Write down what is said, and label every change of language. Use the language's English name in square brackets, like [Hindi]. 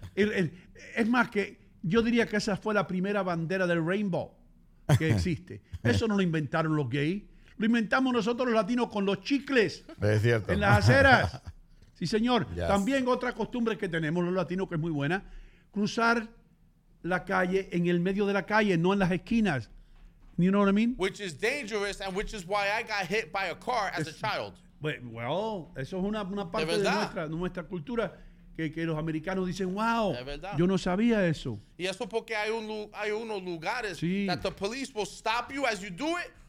[Spanish] Es más que yo diría que esa fue la primera bandera del rainbow que existe. Eso no lo inventaron los gays. Lo inventamos nosotros los latinos con los chicles. Es cierto. En las aceras. Y señor, yes. También otra costumbre que tenemos los latinos que es muy buena, cruzar la calle en el medio de la calle, no en las esquinas. [English] You know what I mean? Which is dangerous and which is why I got hit by a car as a child. [Spanish] Well, eso es una parte de nuestra cultura que los americanos dicen, wow, yo no sabía eso. Y eso porque hay unos lugares sí. [English] That the police will stop you as you do it.